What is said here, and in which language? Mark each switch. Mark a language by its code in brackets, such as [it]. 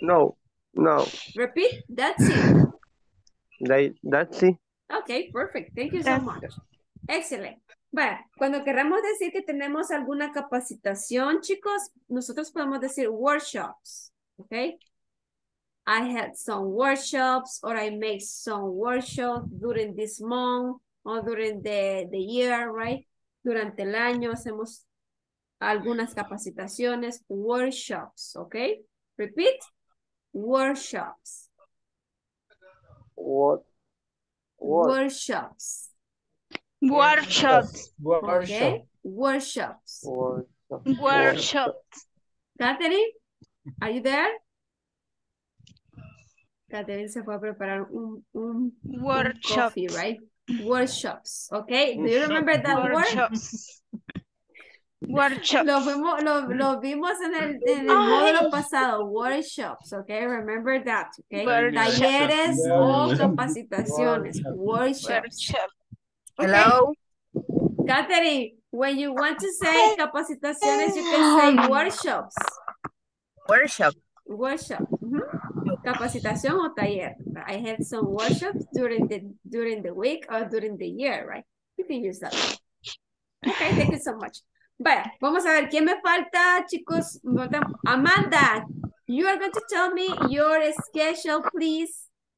[en] No. Repeat, that's it. That's it. Okay, perfect. Thank you so much. Excellent. [es] Bueno, cuando queremos decir que tenemos alguna capacitación, chicos, nosotros podemos decir workshops, okay? [en] I had some workshops or I made some workshops during this month or during the year, right? [es] Durante el año hacemos algunas capacitaciones, workshops, okay? [en] Repeat, workshops. Workshops. Workshops. Okay, workshops. Workshops. Catherine, are you there? [es] Catherine se fue a preparar un [en] workshop, right? Workshops, okay? Do you remember that workshops. Word? Workshops. [es] Lo vimos en el módulo pasado. [en] Workshops, okay? Remember that, okay? Workshops. [es] Talleres o capacitaciones. [en] Workshops. Hello? Okay. Katherine, when you want to say capacitaciones, you can say workshops. Workshop. [es] Mm-hmm. Capacitación o taller. [en] I had some workshops during the week or during the year, right? You can use that. Okay, thank you so much. [es] Vaya, vamos a ver, ¿quién me falta, chicos? [en] Amanda, you are going to tell me your schedule, please.